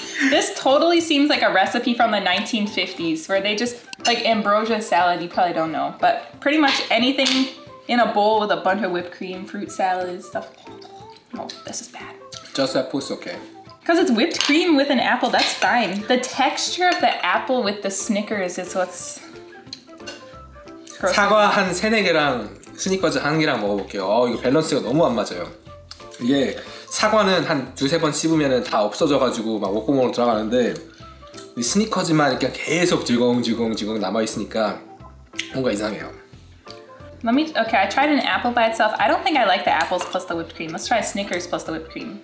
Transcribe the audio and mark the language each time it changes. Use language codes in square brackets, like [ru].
[en] This totally seems like a recipe from the 1950s where they just, like ambrosia salad, you probably don't know, but pretty much anything in a bowl with a bunch of whipped cream, fruit salad, stuff. Oh, this is bad. Just apple's okay. Because it's whipped cream with an apple, that's fine. The texture of the apple with the Snickers is what's... [ko] 사과 한 세네 개랑 스니커즈 한 개랑 먹어볼게요. 이거 밸런스가 너무 안 맞아요. 이게 사과는 한 두세 번 씹으면 다 없어져가지고 막 목구멍으로 들어가는데 이 스니커즈만 이렇게 계속 지공 남아있으니까 뭔가 이상해요. [en] Let me, okay, I tried an apple by itself. I don't think I like the apples plus the whipped cream. Let's try a Snickers plus the whipped cream.